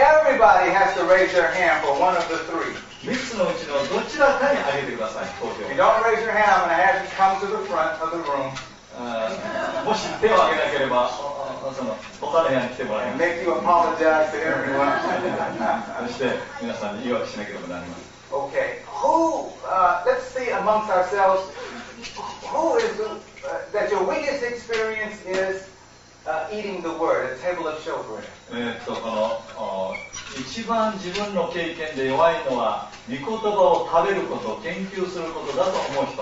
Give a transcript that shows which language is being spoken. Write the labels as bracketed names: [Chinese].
[English] Everybody has to raise their hand for one of the three. [Japanese] 三つのうちのどちらかに挙げてください。 [English] If you don't raise your hand, I'm going to have you come to the front of the room. [Japanese] もし手を挙げなければ、その他の部屋に来てもらいます。 [English] Make you apologize to everyone. [Japanese] そして皆さんに言い訳しなければなりません。 [English] Okay. Who? Let's see amongst ourselves. Who is that your weakest experience is eating the word, a table of showbread? [Japanese] この一番自分の経験で弱いのは御言葉を食べること、研究することだと思う人。